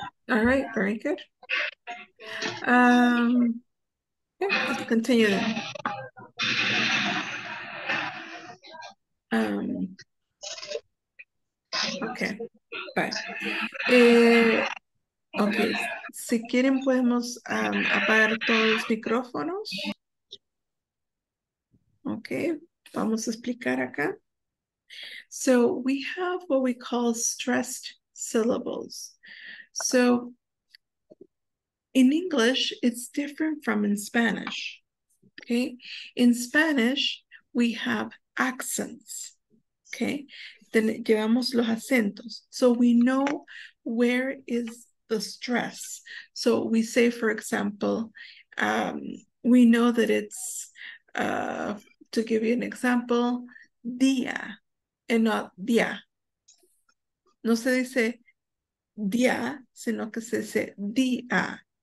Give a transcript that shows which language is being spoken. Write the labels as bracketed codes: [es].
[en] All right, very good. Yeah, let's continue then. Okay, bye. [es] Okay, si quieren podemos apagar todos los micrófonos. Okay, vamos a explicar acá. [en] So we have what we call stressed syllables. So in English, it's different from in Spanish, okay? In Spanish, we have accents, okay? Then [es] llevamos los acentos. [en] So we know where is the stress. So we say, for example, we know that it's, to give you an example, día and not día. [es] No se dice día, sino que se dice día.